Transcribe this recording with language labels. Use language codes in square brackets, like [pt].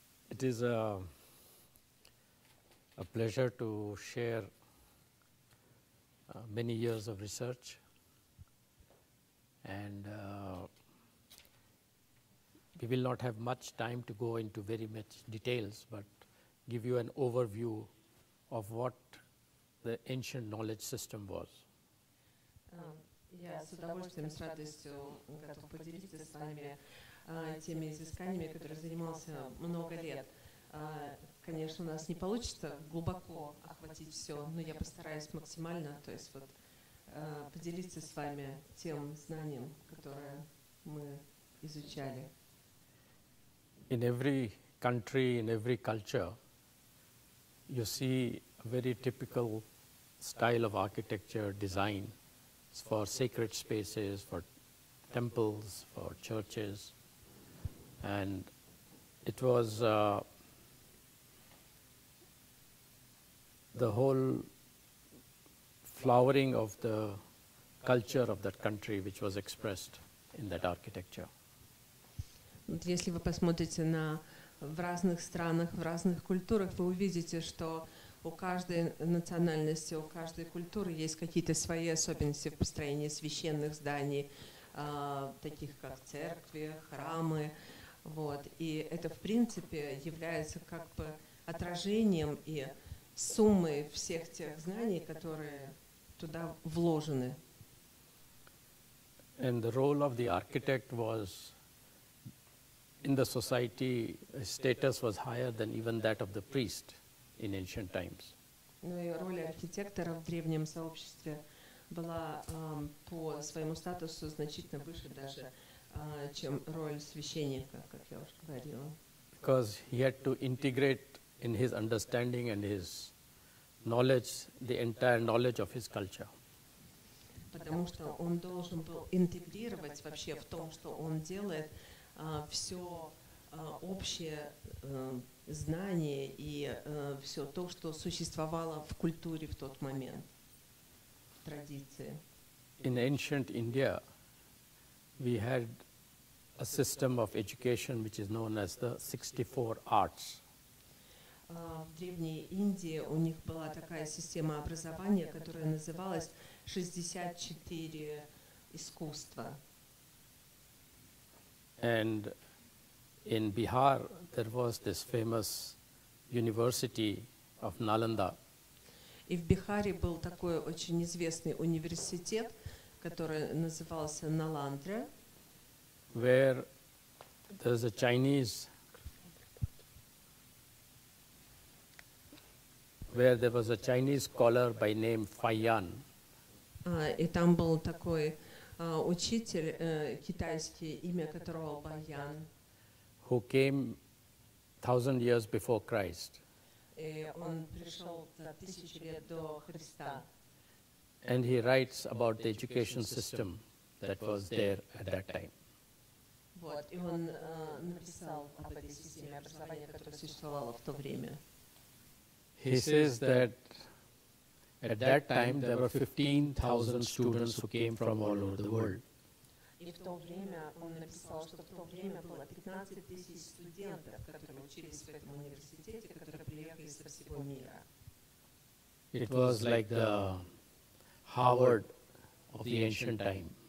[en] It is a pleasure to share many years of research and we will not have much time to go into very much details but give you an overview of what the ancient knowledge system was. [ru] Я с удовольствием, с радостью готов поделиться с вами теми изысканиями, которые занимался много лет. Конечно, у нас не получится глубоко охватить все, но я постараюсь максимально, то есть вот поделиться с вами тем знанием, которое мы изучали. [en] In every country, in every culture, you see a very typical style of architecture design. For sacred spaces, for temples, for churches, and it was the whole flowering of the culture of that country which was expressed in that architecture. [ru] Если вы посмотрите на в разных странах, в разных культурах, вы увидите, что у каждой национальности, у каждой культуры есть какие-то свои особенности в построении священных зданий, таких как церкви, храмы. Вот. И это, в принципе, является как бы отражением и суммой всех тех знаний, которые туда вложены. [en] And the role of the architect was in the society, status was higher than even that of the priest. In ancient times. [ru] Ну и роль архитектора в древнем сообществе была по своему статусу значительно выше даже, чем роль священника, как я уже говорила. [en] Because he had to integrate in his understanding and his knowledge the entire knowledge of his culture. [ru] Потому что он должен был интегрировать вообще в том, что он делает, все общее знание и все то, что существовало в культуре в тот момент, в традиции. [en] In ancient India, we had a system of education which is known as the 64 arts. [ru] В древней Индии у них была такая система образования, которая называлась 64 искусства. [en] And in Bihar, there was this famous university of Nalanda. [ru] И в Бихаре был такой очень известный университет, который назывался Наландра. [en] Where there's a Chinese, where there was a Chinese scholar by name Faiyan. [ru] И там был такой учитель китайский, имя которого Баян. [en] Who came 1,000 years before Christ. [ru] Он пришел за тысячу лет до Христа. [en] And he writes about the education system that was there at that time. [ru] Вот, и он написал об этой системе образования, которая существовала в то время. [en] He says that at that time there were 15,000 students who came from all over the world. [ru] И в то время он написал, что в то время было 15 тысяч студентов, которые учились в этом университете, которые приехали со всего мира. [en] It was like the Harvard of the ancient time.